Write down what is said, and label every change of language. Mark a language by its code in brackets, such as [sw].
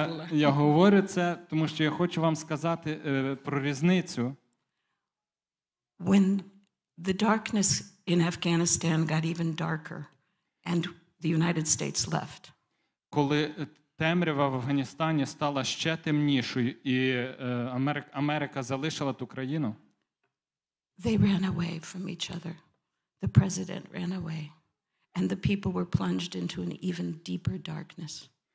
[uk] Я говорю це, тому що я хочу вам сказати про різницю. [en] When the darkness in Afghanistan got even darker and the United States left. Коли темрява в Афганістані стала ще темнішою і Америка залишила ту країну. They ran away from each other. The president ran away. And the people were plunged into an even deeper darkness.